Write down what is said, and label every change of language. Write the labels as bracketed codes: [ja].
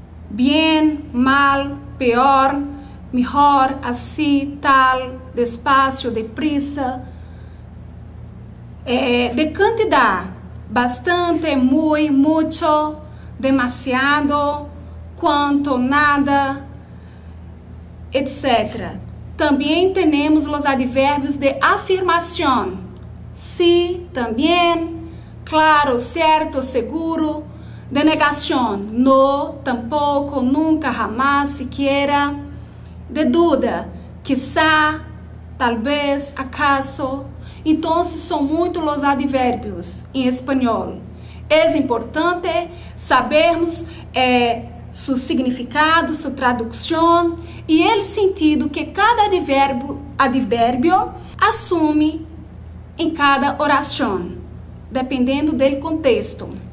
[es] Bien, mal, peor, mejor, así, tal, despacio, deprisa. De cantidad, bastante, muy, mucho, demasiado, quanto, nada, etc. [pt] Também temos os adverbios de afirmação. [es] Sí, también, claro, certo, seguro. De negação. No, tampoco, nunca, jamás, siquiera. De duda. Quizá, talvez, acaso. [pt] Então, são muito os adverbios em espanhol. É importante sabermos [es] su significado, su traducción y el sentido que cada adverbio asume en cada oración, dependiendo del contexto.